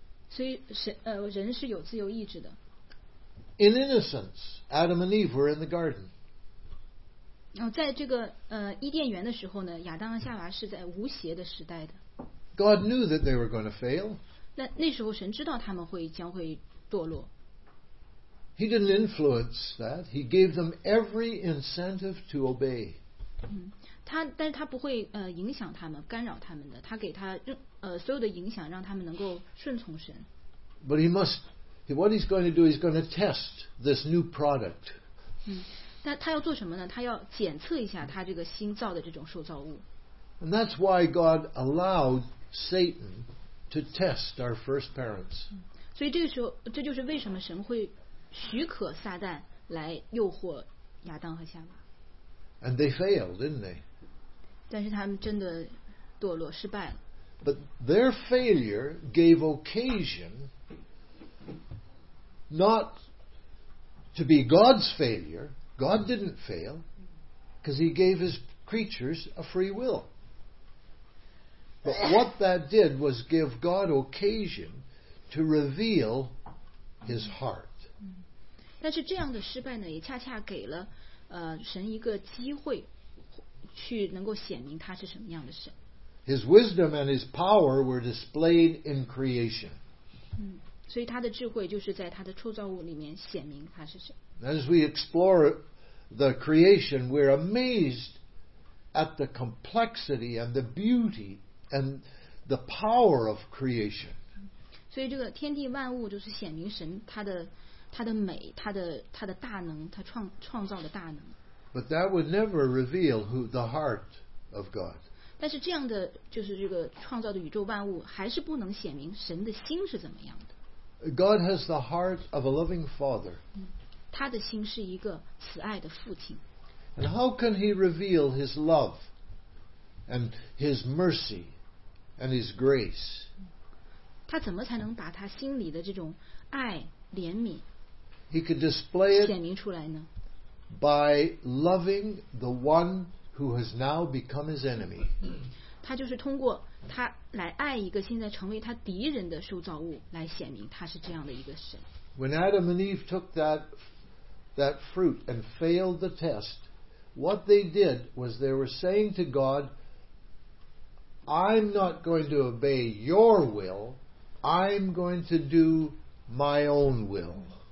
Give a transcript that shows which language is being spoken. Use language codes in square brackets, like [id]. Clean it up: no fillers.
[zh] 所以人是有自由意志的。 [en] In innocence, Adam and Eve were in the garden. [zh] 在这个伊甸园的时候呢，亚当和夏娃是在无邪的时代的。 [en] God knew that they were going to fail. [zh] 那时候神知道他们将会堕落。 [en] He didn't influence that. He gave them every incentive to obey. [zh] 但是他不会影响他们，干扰他们的。他给他所有的影响，让他们能够顺从神。 [en] But he must. What he's going to do is going to test this new product. [zh] 但他要做什么呢？他要检测一下他这个新造的这种受造物。 [en] And that's why God allowed Satan to test our first parents. [zh] 所以这个时候，这就是为什么神会许可撒旦来诱惑亚当和夏娃。 [en] And they failed, didn't they? [zh] 但是他们真的堕落失败了。 [en] But their failure gave occasion. Not to be God's failure. God didn't fail because He gave His creatures a free will. But what that did was give God occasion to reveal His heart. [zh] 但是这样的失败呢，也恰恰给了神一个机会，去能够显明他是什么样的神。 [en] His wisdom and His power were displayed in creation. [zh] 所以他的智慧就是在他的创造物里面显明他是谁。 [en] As we explore the creation, we're amazed at the complexity and the beauty and the power of creation. [zh] 所以这个天地万物就是显明神他的美，他的大能，他创造的大能。 [en] But that would never reveal who the heart of God. [zh] 但是这样的就是这个创造的宇宙万物还是不能显明神的心是怎么样的。 [en] God has the heart of a loving father. [zh] 他的心是一个慈爱的父亲。 [en] And how can He reveal His love and His mercy and His grace? [zh] 他怎么才能把他心里的这种爱、怜悯 [en] He could display it [zh] 显明出来呢? [en] By loving the one who has now become His enemy. [zh] 他就是通过他来爱一个现在成为他敌人的受造物来显明他是这样的一个神。 [en] When Adam and Eve took that that fruit and failed the test, what they did was they were saying to God, I'm not going to obey your will, I'm going to do my own will.